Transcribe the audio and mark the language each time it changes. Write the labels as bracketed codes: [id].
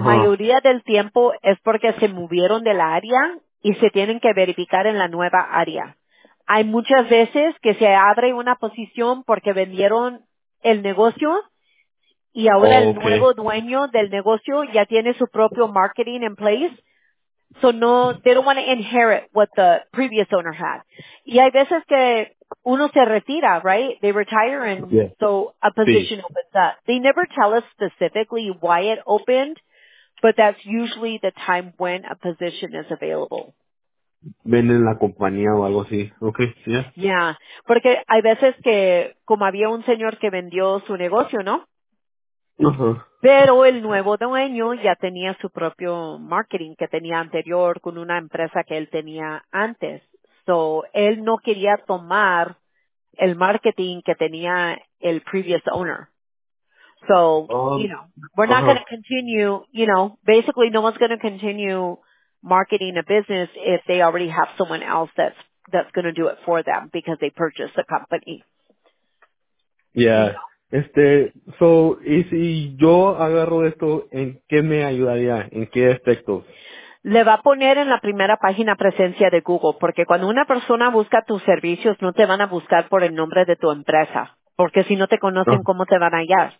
[es] Mayoría del tiempo es porque se movieron de la área y se tienen que verificar en la nueva área. Hay muchas veces que se abre una posición porque vendieron el negocio, y ahora el nuevo dueño del negocio ya tiene su propio marketing [en] in place. So no, they don't want to inherit what the previous owner had. [es] Y hay veces que uno se retira, right? [en] They retire and so a position opens up. They never tell us specifically why it opened, but that's usually the time when a position is available. [es] Venden la compañía o algo así. Okay, [en] yeah. [es] Porque hay veces que, como había un señor que vendió su negocio, ¿no? Pero el nuevo dueño ya tenía su propio marketing que tenía anterior con una empresa que él tenía antes. So, él no quería tomar el marketing que tenía [en] el previous owner. So, you know, we're not going to continue, you know, basically no one's going to continue marketing a business if they already have someone else that's going to do it for them because they purchased the company. Yeah. You know? [es] Y si yo agarro esto, ¿en qué me ayudaría? ¿En qué aspecto? Le va a poner en la primera página presencia de Google, porque cuando una persona busca tus servicios, no te van a buscar por el nombre de tu empresa, porque si no te conocen, no. ¿Cómo te van a hallar?